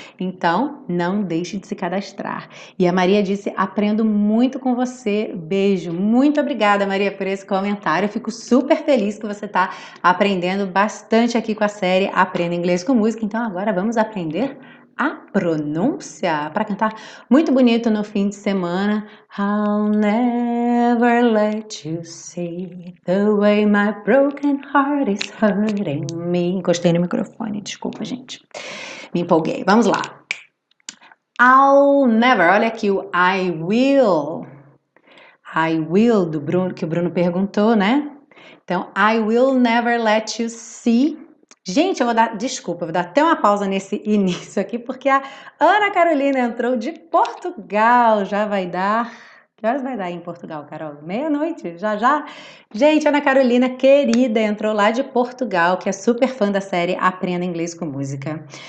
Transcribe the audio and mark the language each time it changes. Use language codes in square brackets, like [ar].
[pt] Então, não deixe de se cadastrar. E a Maria disse: aprendo muito com você. Beijo. Muito obrigada, Maria, por esse comentário. Eu fico super feliz que você está aprendendo bastante aqui com a série Aprenda Inglês com Música. Então, agora vamos aprender a pronúncia para cantar muito bonito no fim de semana. [en] I'll never let you see the way my broken heart is hurting me. [pt] Encostei no microfone, desculpa, gente. Me empolguei. Vamos lá. [en] I'll never, [pt] olha aqui o [en] I will. I will, [pt] do Bruno, que o Bruno perguntou, né? [en] Então, I will never let you see. [pt] Gente, eu vou dar, desculpa, eu vou dar até uma pausa nesse início aqui, porque a Ana Carolina entrou de Portugal. Já vai dar. Que horas vai dar aí em Portugal, Carol? Meia-noite? Já, já? Gente, Ana Carolina, querida, entrou lá de Portugal, que é super fã da série Aprenda Inglês com Música.